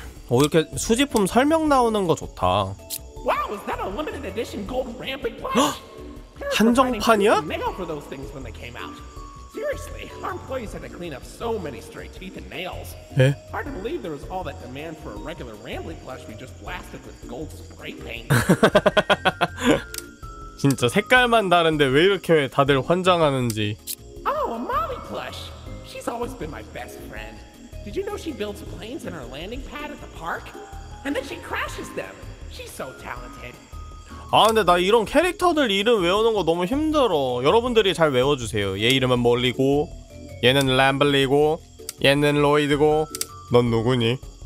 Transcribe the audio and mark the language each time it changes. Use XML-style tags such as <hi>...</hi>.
<ko>이렇게 수집품 설명 나오는 거 좋다.</ko> <en>Wow, is that a limited edition gold Rambley plush?</en> <ko>한정판이야?</ko> <en>Mail for those things when they came out. Seriously, our employees had to clean up so many stray teeth and nails.</en> <ko>예?</ko> <en>Hard to believe there was all that demand for a regular Rambley plush we just blasted with gold spray paint.</en> <ko>진짜 색깔만 다른데 왜 이렇게 다들 환장하는지.</ko> <en>Oh, a mommy plush. She's always been my best friend. Did you know she builds planes in her landing pad at the park? And then she crashes them. She's so talented.</en> <ko>아 근데 나 이런 캐릭터들 이름 외우는 거 너무 힘들어. 여러분들이 잘 외워주세요. 얘 이름은 몰리고, 얘는 램블리고, 얘는 로이드고, 넌 누구니?</ko>